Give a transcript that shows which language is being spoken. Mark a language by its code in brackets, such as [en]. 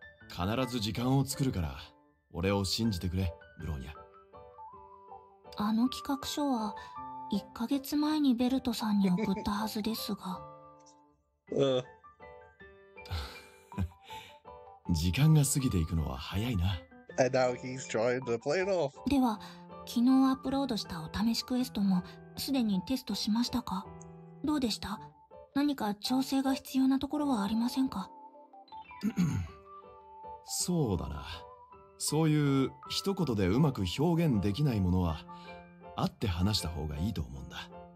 [ja] 必ず時間を作るから、俺を信じてくれ、ブローニャ。あの企画書は1ヶ月前にベルトさんに送ったはずですが。時間が過ぎていくのは早いな。 [en] And now he's trying to play it off. [ja] では、昨日アップロードしたお試しクエストもすでにテストしましたか？どうでした？何か調整が必要なところはありませんか？そうだな。そういう一言でうまく表現できないものは会って話した方がいいと思うんだ。